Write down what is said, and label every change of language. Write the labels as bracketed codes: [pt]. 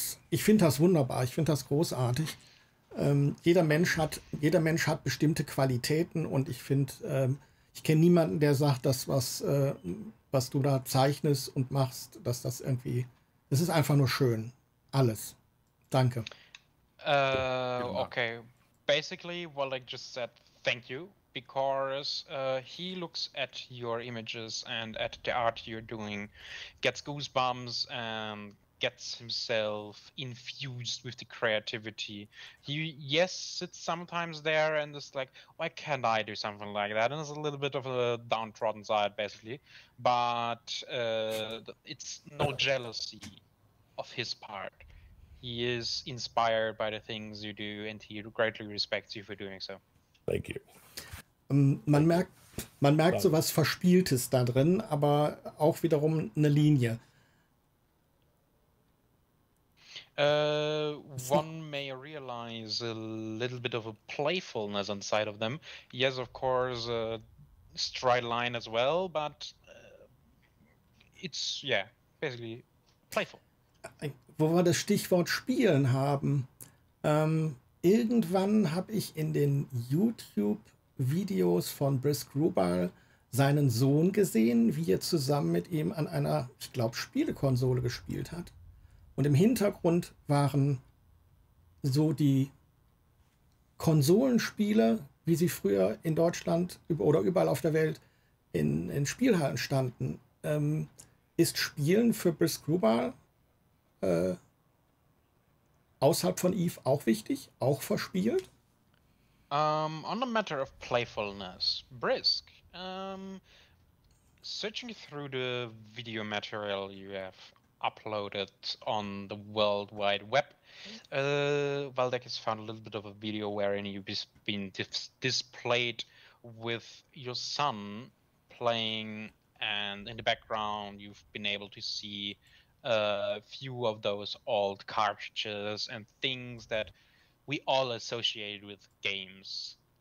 [de] Ich finde das wunderbar, ich finde das großartig. Jeder Mensch hat bestimmte Qualitäten, und ich finde, ich kenne niemanden, der sagt, das, was du da zeichnest und machst, dass das irgendwie, es ist einfach nur schön. Alles. Danke. [en] Okay. Basically, Wallach just said thank you, because he looks at your images and at the art you're doing, gets goosebumps and gets himself infused with the creativity. He sits sometimes there and is like, why can't I do something like that? And it's a little bit of a downtrodden side, basically. But it's no jealousy of his part. He is inspired by the things you do, and he greatly respects you for doing so. Thank you. [de] Man merkt so was Verspieltes da drin, aber auch wiederum eine Linie. [en] One may realize a little bit of a playfulness inside of them. Yes, of course, a straight line as well, but it's, yeah, basically playful. [de] Wo wir das Stichwort Spielen haben, irgendwann habe ich in den YouTube-Videos von Brisk Rubal seinen Sohn gesehen, wie er zusammen mit ihm an einer, ich glaube, Spielekonsole gespielt hat. Und im Hintergrund waren so die Konsolenspiele, wie sie früher in Deutschland oder überall auf der Welt in Spielhallen standen. Ist Spielen für Brisk Rubal außerhalb von Eve auch wichtig, auch verspielt? [en] On the matter of playfulness, Brisk, searching through the video material you have uploaded on the World Wide Web, Valdek has found a little bit of a video wherein you've been displayed with your son playing, and in the background you've been able to see a few of those old cartridges and things that we all associate with games.